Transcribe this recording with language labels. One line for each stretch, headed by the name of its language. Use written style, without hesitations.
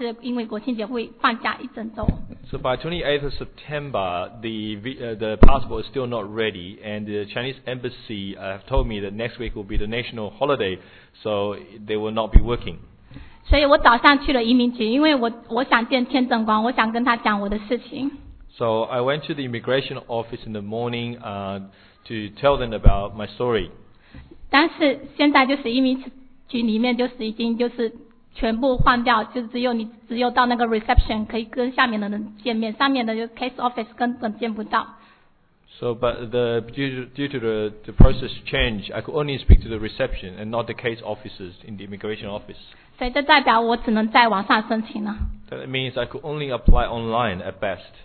Chinese: 可是当9月28号的时候，护照还没有下，然后我去了，怎么讲呢？9月28号护照没有下，领事馆说就是9月28号是星期五，护照没有下，领事馆说下周他是因为国庆节会放假一整周。
English: So by 28th of September, the passport is still not ready, and the Chinese embassy have told me that next week will be the national holiday, so they will not be working.
Chinese: 所以我早上去了移民局，因为我想见签证官，我想跟他讲我的事情。
English: So I went to the immigration office in the morning to tell them about my story.
Chinese: 但是现在就是移民局里面就是已经就是。全部换掉，就只有到那个 reception 可以跟下面的人见面，上面的就 case office 根本见不到。So,
English: but due to the process change, I could only speak to the reception and not the case officers in the immigration office.
Chinese: 所以这代表我只能在网上申请了。That
English: means I could only apply online at best.